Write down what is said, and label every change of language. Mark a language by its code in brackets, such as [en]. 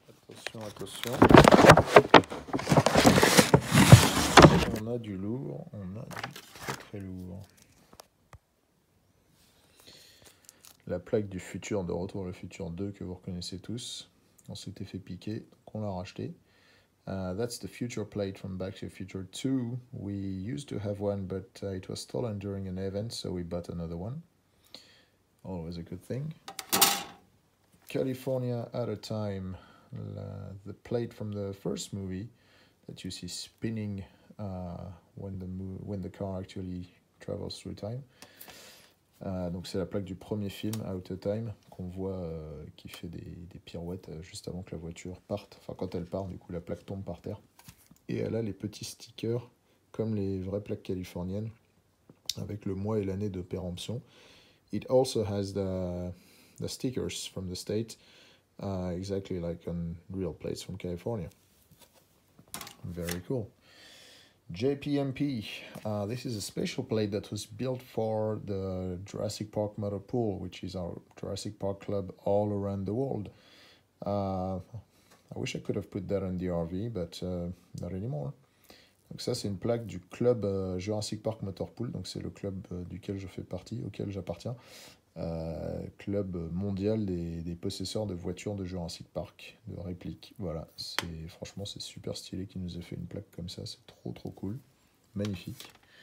[fr] Attention, attention. On a du lourd, on a du très très lourd. La plaque du futur de Retour le futur 2 que vous reconnaissez tous. On s'était fait piquer, donc on l'a racheté. [en] That's the future plate from Back to the Future 2. We used to have one, but it was stolen during an event, so we bought another one. Always a good thing. California at a time. The plate from the first movie that you see spinning when the car actually travels through time. [fr] Donc c'est la plaque du premier film, Out of Time, qu'on voit qui fait des pirouettes juste avant que la voiture parte. Enfin, quand elle part, du coup, la plaque tombe par terre. Et elle a les petits stickers, comme les vraies plaques californiennes, avec le mois et l'année de péremption. [en] It also has the stickers from the state, exactly like on real plates from California. Very cool. JPMP, this is a special plate that was built for the Jurassic Park Motor Pool, which is our Jurassic Park club all around the world. I wish I could have put that on the RV, but not anymore. [fr] Donc ça, c'est une plaque du club Jurassic Park Motor Pool, donc c'est le club duquel je fais partie, auquel j'appartiens. Club mondial des possesseurs de voitures de Jurassic Park, de répliques. Voilà, c'est, franchement, c'est super stylé qu'il nous ait fait une plaque comme ça, c'est trop trop cool, magnifique.